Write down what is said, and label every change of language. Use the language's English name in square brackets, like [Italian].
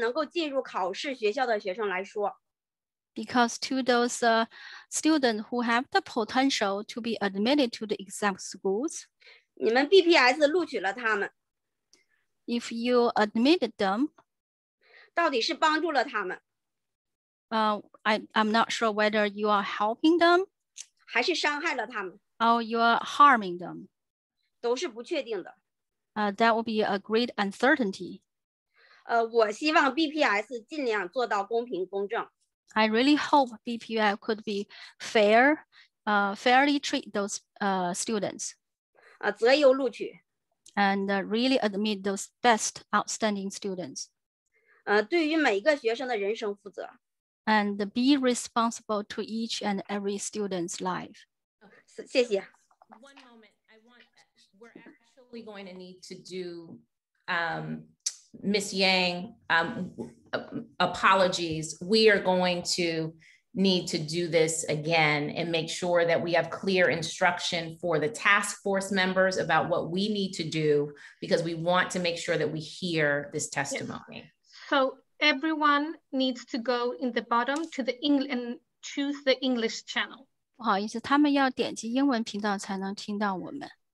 [Chinese] 因为对于一些能够进入考试学校的学生来说, [English] because to those students who have the potential to be admitted to the exam schools, [Chinese] 你们BPS录取了他们, [English] if you admitted them, [Chinese] 到底是帮助了他们, [English] I'm not sure whether you are helping them, [Chinese] 还是伤害了他们, [English] or you are harming them, [Chinese] 都是不确定的, [English] that would be a great uncertainty. [Chinese] 我希望BPS尽量做到公平公正, [English] I really hope BPS could be fair, fairly treat those students. [Chinese] 择优录取, [English] and really admit those best outstanding students. [Chinese] 对于每一个学生的人生负责, [English] and be responsible to each and every student's life. [Chinese] 谢谢。 [English] One moment, we're actually going to need to do Ms. Yang, apologies. We are going to need to do this again and make sure that we have clear instruction for the task force members about what we need to do, because we want to make sure that we hear this testimony. Yes. So everyone needs to go in the bottom to the English and choose the English channel. [Chinese] 不好意思，他们要点击英文频道才能听到我们。